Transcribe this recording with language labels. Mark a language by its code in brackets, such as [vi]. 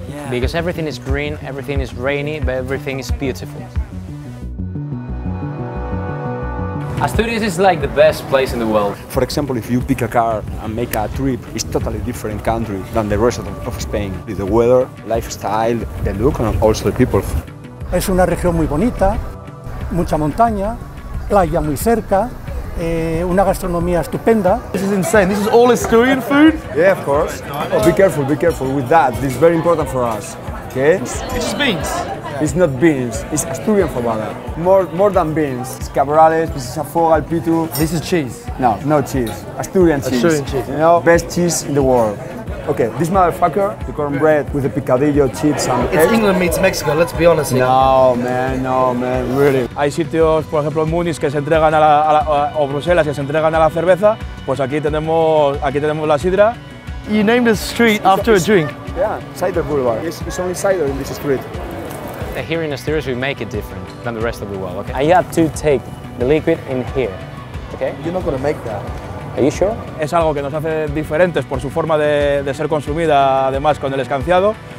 [en] Because everything is green, everything is rainy, but everything is beautiful. Asturias is like the best place in the world. For example, if you pick a car and make a trip, it's a totally different country than the rest of Spain. The weather, lifestyle, the look, and also the people. [es] Es una región muy bonita, mucha montaña, playa muy cerca, una gastronomía estupenda. [en] This is insane. This is all Asturian food? Yeah, of course. Oh, be careful with that. This is very important for us, okay? It's just beans. It's not beans. It's Asturian forbada. More than beans. It's cabrales, this is a fogal, pitu. This is cheese? No, no cheese. Asturian cheese. Asturian cheese. You know, best cheese in the world. Okay, this motherfucker, the cornbread with the picadillo, chips and eggs. It's England meets Mexico, let's be honest. No, man, no, man, really. [es] Hay sitios, por ejemplo, en Múnich que se entregan o Bruselas que se entregan a la cerveza, pues aquí tenemos la sidra. [en] You named the street after a drink. Yeah, Cider Boulevard. It's only cider in this street. Here in Asturias we make it different than the rest of the world, okay? I have to take the liquid in here, okay? You're not gonna make that. Are you sure? [es] Es algo que nos hace diferentes por su forma de ser consumida, además con el escanciado.